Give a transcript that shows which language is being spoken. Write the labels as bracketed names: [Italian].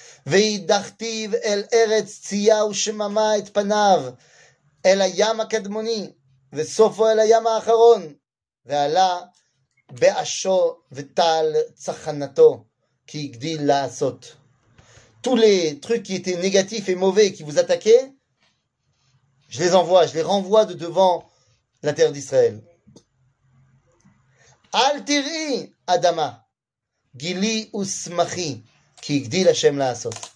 [Hebrew] וידחתיו אל ארץ צייה ושממה את פניו, אל הים הקדמוני, וסופו אל הים האחרון, ועלה באשו וטל צחנתו, כי הגדיל לעשות. [French] Tous les trucs qui étaient négatifs et mauvais qui vous attaquaient, je les envoie, je les renvoie de devant la terre d'Israël. [Hebrew] אל תראי אדמה, גילי ושמחי, כי הגדיל השם לעשות.